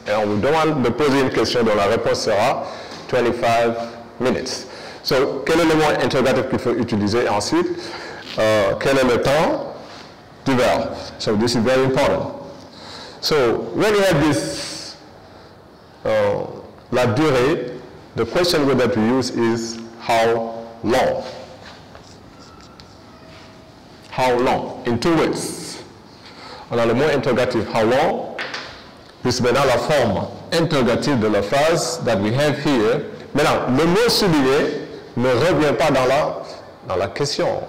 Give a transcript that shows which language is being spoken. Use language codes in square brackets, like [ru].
[fr] Et on vous demande de poser une question dont la réponse sera 25 minutes. So, quel est le mot interrogatif qu'il faut utiliser ensuite? Quel est le temps du verbe? [en] So, this is very important. So, when you have this, [fr] la durée, [en] the question word that we use is how long? How long? In two words. [fr] On a le mot interrogatif, [en] how long? This is [fr] maintenant la forme interrogative de la phrase [en] that we have here. [fr] Maintenant, le mot souligné ne revient pas dans la question.